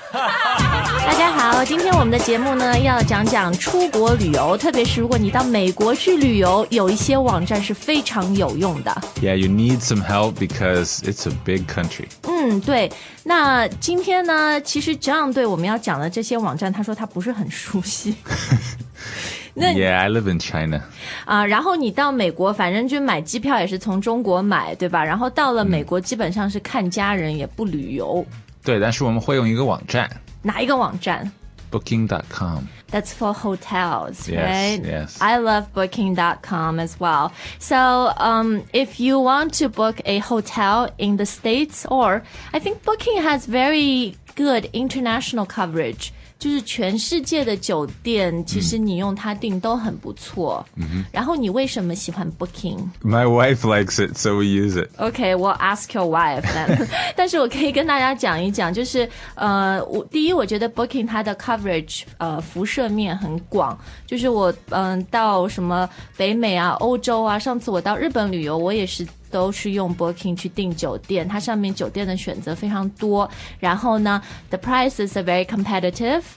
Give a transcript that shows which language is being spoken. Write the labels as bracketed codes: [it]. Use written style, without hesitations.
[zh] 大家好，今天我们的节目呢要讲讲出国旅游，特别是如果你到美国去旅游，有一些网站是非常有用的。 [en] Yeah, you need some help because it's a big country. [zh] 嗯，对，那今天呢其实 John 对我们要讲的这些网站他说他不是很熟悉。 [en] Yeah, I live in China. [zh] 啊，然后你到美国，反正就买机票也是从中国买，对吧？然后到了美国，基本上是看家人，也不旅游。对，但是我们会用一个网站。哪一个网站？ [en] Booking.com. That's for hotels, yes, right? Yes. I love Booking.com as well. So, if you want to book a hotel in the States, or I think Booking has very good international coverage. [zh] 就是全世界的酒店其实你用它订都很不错、 mm-hmm. 然后你为什么喜欢 Booking? [en] My wife likes it, so we use it. Okay, we'll ask your wife then. [zh] 但是我可以跟大家讲一讲，就是第一我觉得 Booking 它的 coverage 辐射面很广，就是我到什么北美啊欧洲啊，上次我到日本旅游我也是都是用 Booking 去订酒店，它上面酒店的选择非常多，然后呢 [en] the prices are very competitive、